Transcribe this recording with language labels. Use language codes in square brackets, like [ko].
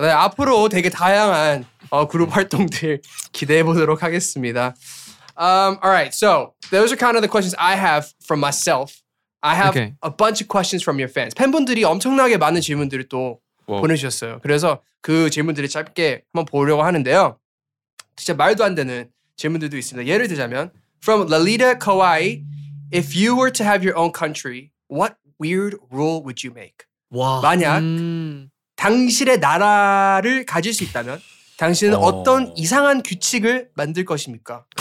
[ko] 네, 앞으로 되게 다양한 그룹 활동들 기대해보도록 하겠습니다. [en] Alright, so those are kind of the questions I have from myself. I have okay. a bunch of questions from your fans. [ko] 팬분들이 엄청나게 많은 질문들을 또 Wow. 보내주셨어요. 그래서 그 질문들을 짧게 한번 보려고 하는데요. 진짜 말도 안 되는 질문들도 있습니다. 예를 들자면 [en] From Lalita Kawaii If you were to have your own country, what weird rule would you make? Wow. [ko] 만약 당신의 나라를 가질 수 있다면 당신은 oh. 어떤 이상한 규칙을 만들 것입니까?